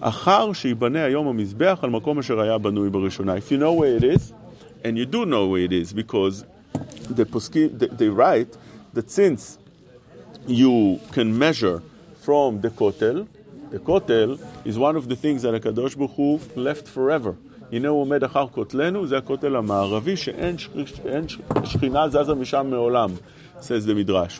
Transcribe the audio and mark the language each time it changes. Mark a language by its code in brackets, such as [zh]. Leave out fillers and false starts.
[he] אחר שיבנה היום המזבח על מקום אשר היה בנוי בראשונה. [en] If you know where it is, and you do know where it is, because they write that since you can measure from the Kotel is one of the things that HaKadosh Baruch Hu left forever. [he] הנה הוא עומד אחר כותלנו, זה הכותל המערבי שאין שכינה זזה משם מעולם, [en] says the Midrash.